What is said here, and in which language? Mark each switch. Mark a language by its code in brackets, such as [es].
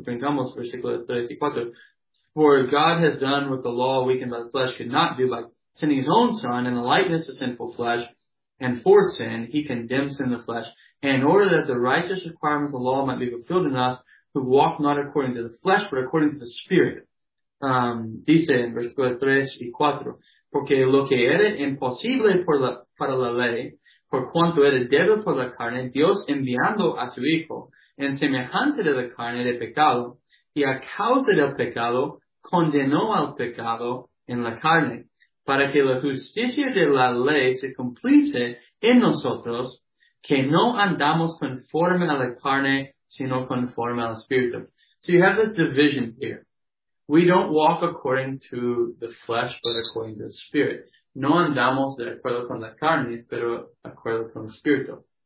[es] Brincamos versículo 3 y 4. [en] For God has done what the law weakened by the flesh could not do by sending his own son in the likeness of sinful flesh, and for sin, he condemns sin in the flesh, and in order that the righteous requirements of the law might be fulfilled in us, who walk not according to the flesh, but according to the Spirit. [es] Dice en versículos 3 y 4, porque lo que era imposible para la ley, por cuanto era débil por la carne, Dios enviando a su Hijo, en semejanza de la carne de pecado, y a causa del pecado, condenó al pecado en la carne, para que la justicia de la ley se cumpliese en nosotros, que no andamos conforme a la carne, sino conforme al Espíritu. [en] So you have this division here. We don't walk according to the flesh, but according to the Spirit. [es] No andamos de acuerdo con la carne, pero acuerdo con el Espíritu.